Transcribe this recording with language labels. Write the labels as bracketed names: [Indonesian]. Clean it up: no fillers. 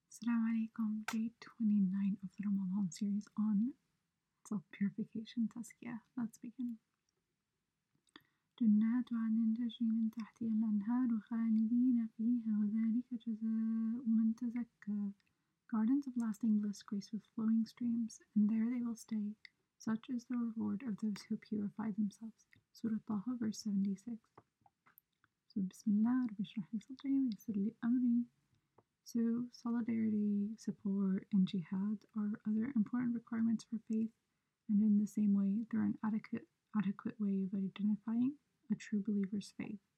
[English] Welcome day 29 of the Ramadan series on self-purification, Tazkiyah. Let's begin. [Arabic] جنات عدن تجري من تحتها الأنهار خالدين فيها وذلك جزاء من تزكى. [English] Gardens of lasting bliss graced with flowing streams, and there they will stay. Such is the reward of those who purify themselves. Surah Taha, verse 76. So Bismillah, [Arabic] Rabbi Shrahi Sadri, Yisrli Amri. [English] So, solidarity, support, and jihad are other important requirements for faith, and in the same way, they're an adequate way of identifying a true believer's faith.